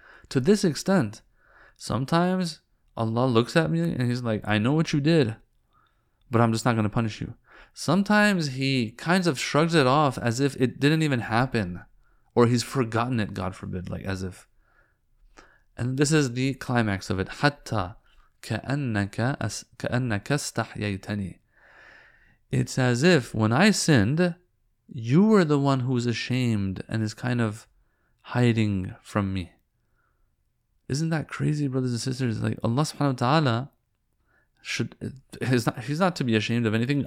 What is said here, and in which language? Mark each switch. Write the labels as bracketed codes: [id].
[en] To this extent, sometimes Allah looks at me and He's like, I know what you did, but I'm just not going to punish you. Sometimes He kind of shrugs it off as if it didn't even happen, or He's forgotten it, God forbid, like as if. And this is the climax of it. [ar] Hatta كَأَنَّكَ اسْتَحْيَيْتَنِي. [en] It's as if when I sinned, you were the one who was ashamed and is kind of hiding from me. Isn't that crazy, brothers and sisters? Like, Allah subhanahu wa ta'ala he's not to be ashamed of anything.